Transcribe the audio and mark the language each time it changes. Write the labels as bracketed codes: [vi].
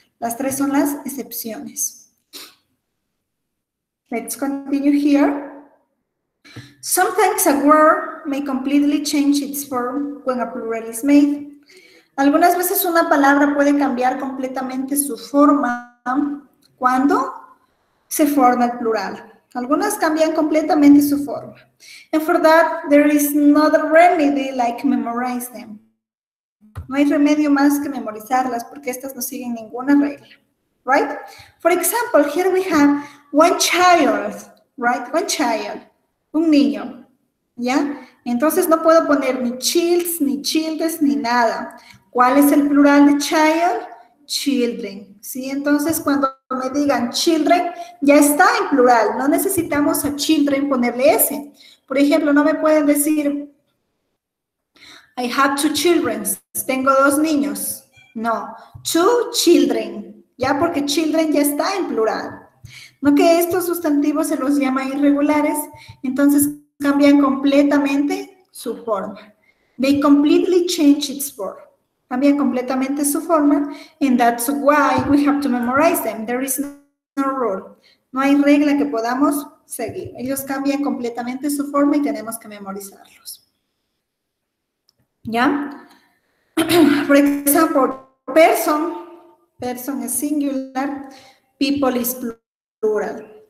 [es] Las tres son las excepciones. [en] Let's continue here. Sometimes a word may completely change its form when a plural is made. [es] Algunas veces una palabra puede cambiar completamente su forma cuando se forma el plural. Algunas cambian completamente su forma. [en] And for that, there is not a remedy like memorize them. [es] No hay remedio más que memorizarlas porque estas no siguen ninguna regla. [en] Right? For example, here we have one child. Right? One child. [es] Un niño. ¿Ya? Entonces no puedo poner ni childs, ni childes, ni nada. ¿Cuál es el plural de child? Children. ¿Sí? Entonces cuando me digan children, ya está en plural. No necesitamos a children ponerle S. Por ejemplo, no me pueden decir, [en] I have two children. [es] Tengo dos niños. No. [en] Two children. [es] Ya, porque children ya está en plural. No que estos sustantivos se los llama irregulares, entonces cambian completamente su forma. [en] They completely change its form. [es] Cambian completamente su forma, [en] and that's why we have to memorize them. There is no rule. [es] No hay regla que podamos seguir. Ellos cambian completamente su forma y tenemos que memorizarlos. [en] ¿Ya? For example, person, Person is singular, people is plural.